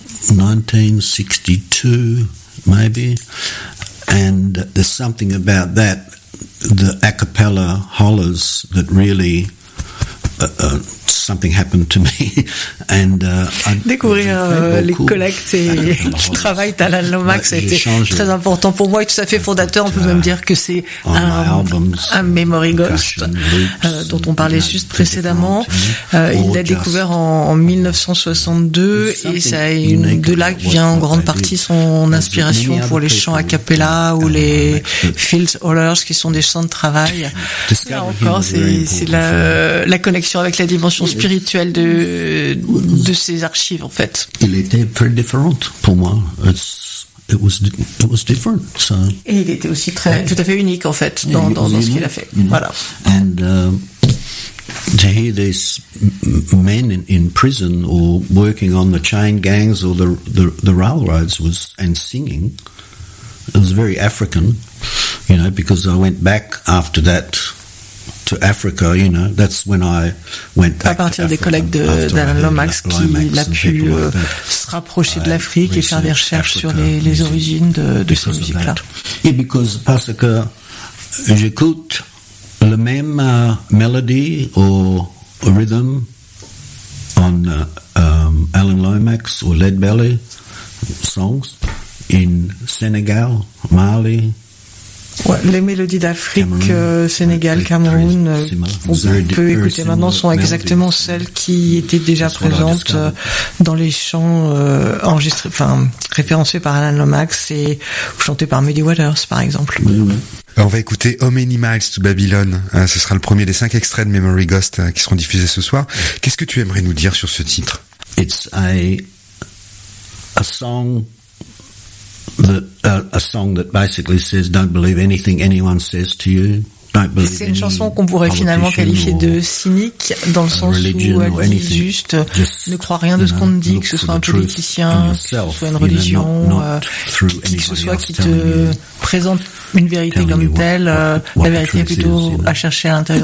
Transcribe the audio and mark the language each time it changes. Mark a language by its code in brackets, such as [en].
[en] 1962, maybe, and there's something about that, the a cappella hollers, that really something happened to me. And [fr] découvrir les collectes et le travail d'Alan Lomax a été très important pour moi et tout à fait fondateur. On peut même dire que c'est un memory ghost dont on parlait juste précédemment. Il l'a découvert en 1962 et c'est de là que vient en grande partie son inspiration pour les chants a cappella ou les field hollers qui sont des chants de travail. Là encore, c'est la connexion avec la dimension spirituelle de ces archives, en fait. Il était très différent pour moi. [en] It was different. So. [fr] Et il était aussi très, tout à fait unique, en fait, dans ce qu'il a fait. Voilà. [en] And to hear these men in prison or working on the chain gangs or the railroads was, and singing, it was very African, you know, because I went back after that to Africa, you know, that's when I went back. [fr] À partir des collègues d'Alan Lomax qui l'a pu se rapprocher de l'Afrique et faire des recherches sur les origines de ces musiques-là. Et parce que j'écoute la même mélodie ou rythme on Alan Lomax ou Lead Belly [en] songs in [fr] Sénégal, Mali, Ouais, les mélodies d'Afrique, Sénégal, Cameroun, qu'on peut écouter maintenant sont exactement celles qui étaient déjà présentes dans les chants enregistrés, enfin référencés par Alan Lomax et chantés par Muddy Waters, par exemple. Oui, oui. On va écouter How Many Miles to Babylon. Ce sera le premier des 5 extraits de Memory Ghost qui seront diffusés ce soir. Qu'est-ce que tu aimerais nous dire sur ce titre? [en] It's a song. A song that basically says, don't believe anything anyone says to you. Don't believe. [fr] C'est une chanson qu'on pourrait finalement qualifier de cynique, dans le sens où elle dit juste, ne crois rien de ce qu'on te dit, que ce soit un politicien, que ce soit une religion, qui que ce soit qui te présente une vérité comme telle, la vérité est plutôt à chercher à l'intérieur.